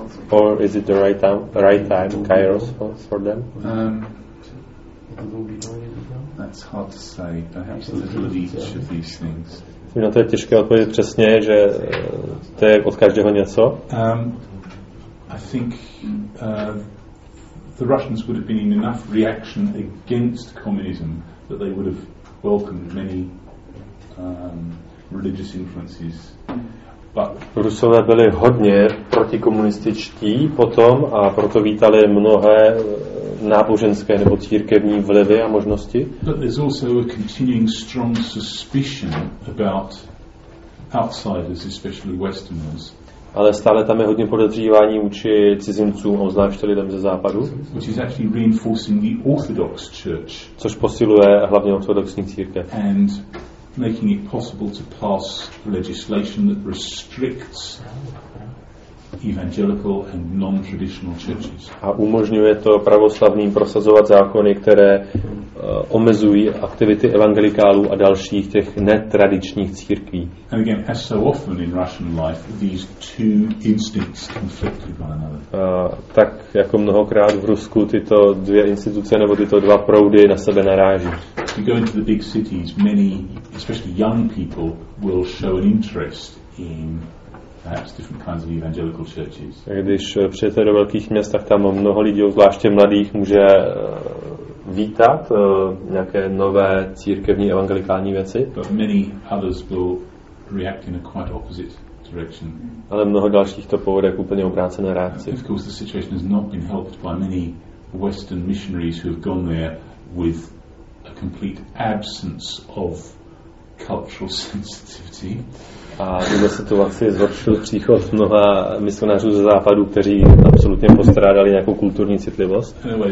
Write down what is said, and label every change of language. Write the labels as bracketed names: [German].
[English] Or is it the right time, Kairos for them? That's hard to say. Perhaps a little of each of these things. [Czech] Na to je těžké odpovědět přesně, že to je od každého něco. [English] I think the Russians would have been in enough reaction against communism that they would have welcomed many religious influences. [Czech] Rusové byli hodně protikomunističtí potom a proto vítali mnohé náboženské nebo církevní vlivy a možnosti. [English] But there's also a continuing strong suspicion about outsiders, especially Westerners. [Czech] Ale stále tam je hodně podezřívání vůči cizincům, obzvláště lidem ze západu. [English] Which is actually reinforcing the Orthodox Church. [Czech] Což posiluje hlavně ortodoxní církev. [English] And making it possible to pass legislation that restricts evangelical and non-traditional churches. [Czech] A umožňuje to pravoslavným prosazovat zákony, které omezují aktivity evangelikálů a dalších těch netradičních církví. [English] And again, as so often in Russian life, these two instincts conflict with one another. [Czech] Tak jako mnohokrát v Rusku tyto dvě instituce nebo tyto dva proudy na sebe naráží. [English] If you go into the big cities, many, especially young people, will show an interest in perhaps different kinds of evangelical churches. [Czech] Když přijete do velkých měst, tak tam mnoho lidí, zvláště mladých, může vítat nějaké nové církevní evangelikální věci. [English] But many others will react in a quite opposite direction. [Czech] Ale mnoho dalších to povede k úplně obrácené reakci. [English] Of course, the situation has not been helped by many Western missionaries who have gone there with a complete absence of cultural sensitivity. [Czech] A tuto situaci zhoršil příchod mnoha misionářů ze západu, kteří absolutně postrádali nějakou kulturní citlivost.